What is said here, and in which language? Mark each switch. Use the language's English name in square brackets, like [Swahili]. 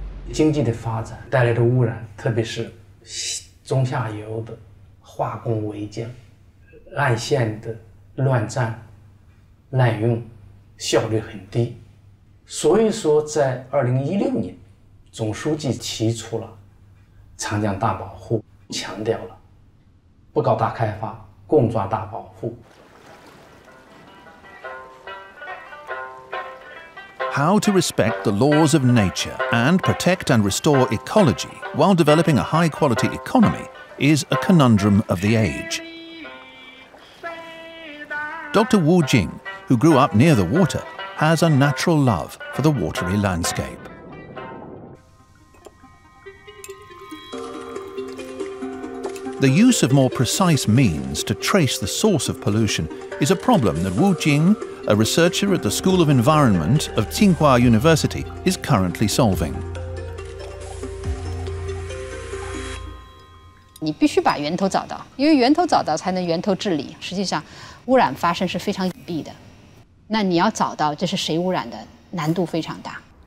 [Chinese] 经济的发展带来的污染，特别是中下游的化工违建、岸线的乱占、滥用，效率很低。所以说，在2016年，总书记提出了长江大保护，强调了不搞大开发，共抓大保护。 [English] How to respect the laws of nature and protect and restore ecology while developing a high-quality economy is a conundrum of the age. Dr. Wu Jing, who grew up near the water, has a natural love for the watery landscape. The use of more precise means to trace the source of pollution is a problem that Wu Jing,a researcher at the School of Environment of Tsinghua University, is currently solving. [Chinese] 你必须把源头找到，因为源头找到才能源头治理。实际上，污染发生是非常隐蔽的。那你要找到这是谁污染的，难度非常大。